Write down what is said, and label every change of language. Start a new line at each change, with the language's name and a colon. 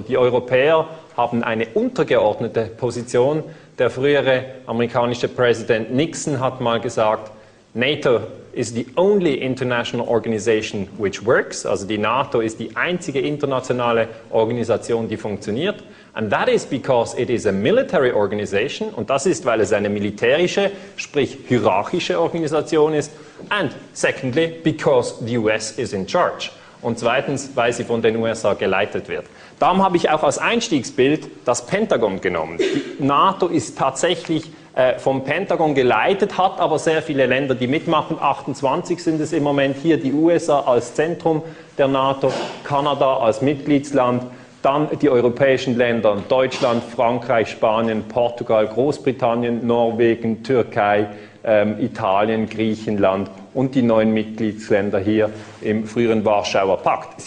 German: Die Europäer haben eine untergeordnete Position. Der frühere amerikanische Präsident Nixon hat mal gesagt,
English: NATO is the only international organization which works.
German: Also die NATO ist die einzige internationale Organisation, die funktioniert.
English: And that is because it is a military organization.
German: Und das ist, weil es eine militärische, sprich hierarchische Organisation ist.
English: And secondly, because the US is in charge.
German: Und zweitens, weil sie von den USA geleitet wird. Darum habe ich auch als Einstiegsbild das Pentagon genommen. Die NATO ist tatsächlich vom Pentagon geleitet, hat aber sehr viele Länder, die mitmachen. 28 sind es im Moment hier, die USA als Zentrum der NATO, Kanada als Mitgliedsland, dann die europäischen Länder, Deutschland, Frankreich, Spanien, Portugal, Großbritannien, Norwegen, Türkei, Italien, Griechenland und die neuen Mitgliedsländer hier im früheren Warschauer Pakt.